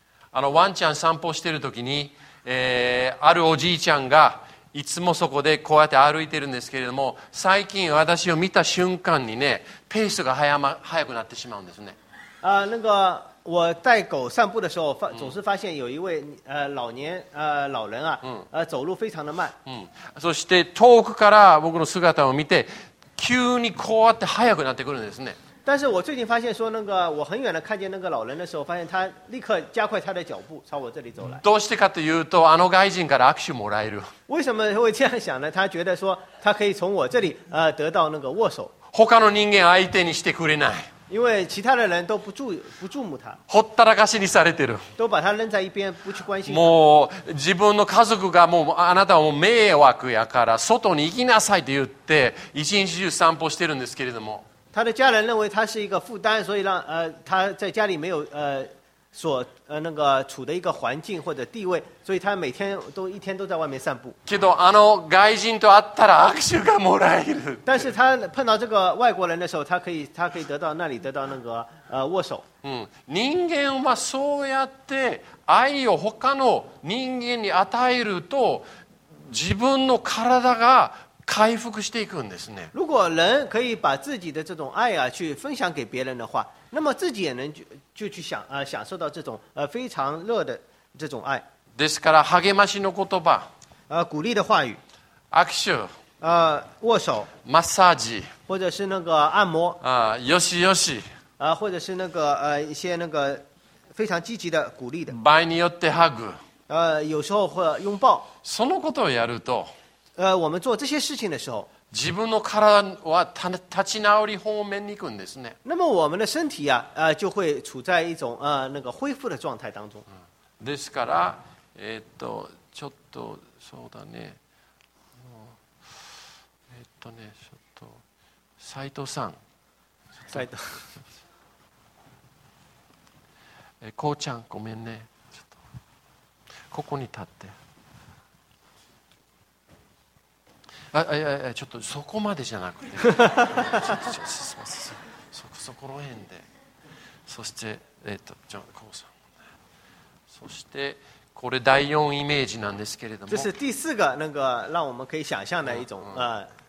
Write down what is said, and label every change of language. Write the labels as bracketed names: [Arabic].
[Japanese] ワンちゃん散歩してるときに、あるおじいちゃんがいつもそこでこうやって歩いてるんですけれども最近私を見た瞬間にねペースが速くなってしまうんですね [Chinese] 那个我带狗散步的时候总是发现有一位老人啊走路非常的慢 [Japanese] そして遠くから僕の姿を見て急にこうやって速くなってくるんですね [Chinese] 但是我最近发现说那个我很远的看见那个老人的时候发现他立刻加快他的脚步朝我这里走来 [Japanese] どうしてかというとあの外人から握手もらえる [Chinese] 为什么会这样想呢他觉得说他可以从我这里得到那个握手 [Japanese] 他の人間相手にしてくれない [Chinese] 因为其他的人都不注目他 [Japanese] ほったらかしにされてる [Chinese] 都把他扔在一边不去关心 [Japanese] もう自分の家族がもうあなたはもう迷惑やから外に行きなさいと言って一日中散歩してるんですけれども [Chinese] 他的家人认为他是一个负担所以让他在家里没有所那个处的一个环境或者地位所以他每天都一天都在外面散步 [Japanese] けどあの外人と会ったら握手がもらえる [Chinese] 但是他碰到这个外国人的时候他可以得到那里得到那个握手 [Japanese] 人間はそうやって愛を他の人間に与えると自分の体が回復していくんですね [Chinese] 如果人可以把自己的这种爱去分享给别人的话那么自己也能 就去 享受到这种非常热的这种爱 [Japanese] ですから励ましの言葉 [Chinese] 鼓励的话语 [Japanese] 握手 [Chinese] 握手 [Japanese] マッサージ [Chinese] 或者是那个按摩 [Japanese] よしよし [Chinese] 或者是那个一些那个非常积极的鼓励的 [Japanese] 場合によってハグ [Chinese] 有时候或拥抱 [Japanese] そのことをやると [Chinese] 我们做这些事情的时候 [Japanese] 自分の体は立ち直り方面に行くんですね [Chinese] 那么我们的身体啊就会处在一种那个恢复的状态当中 [Japanese] ですからちょっとそうだねねちょっと斉藤さん斉藤こうちゃんごめんねちょっとここに立ってちょっとそこまでじゃなくてそこの辺でそしてじゃあこうさんそしてこれ第四イメージなんですけれども [Chinese] 这是第四个那个让我们可以想象的一种画面